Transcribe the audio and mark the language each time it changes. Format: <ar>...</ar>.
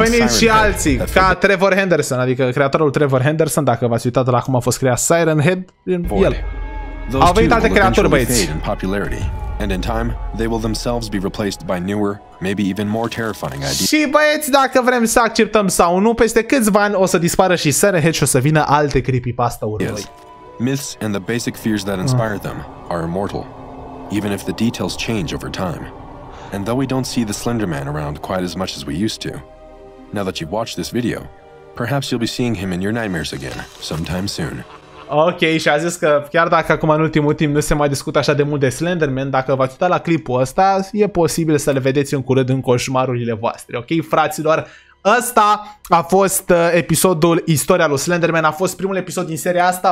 <ro>Au venit</ro> <en>Siren</en> <ro>și alții, ca Trevor Henderson, adică creatorul Trevor Henderson, dacă v-ați uitat la cum a fost creat Siren Head, el.</ro> <en>Those two will eventually fade in popularity, And in time, they will themselves be replaced by newer, maybe even more terrifying ideas.</en> <ro>Și băieți, dacă vrem să acceptăm sau nu, peste câțiva ani o să dispară și SRH și o să vină alte creepypasta-uri.</ro> <en>Yes. Myths and the basic fears that inspire them are immortal, even if the details change over time. And though we don't see the Slender Man around quite as much as we used to, now that you've watched this video, perhaps you'll be seeing him in your nightmares again, sometime soon.</en> <ro>Ok, și a zis că chiar dacă acum în ultimul timp nu se mai discută așa de mult de Slenderman, dacă v-ați uitat la clipul ăsta, e posibil să le vedeți în curând în coșmarurile voastre. Ok, fraților, ăsta a fost episodul Istoria lui Slenderman, a fost primul episod din seria asta.</ro>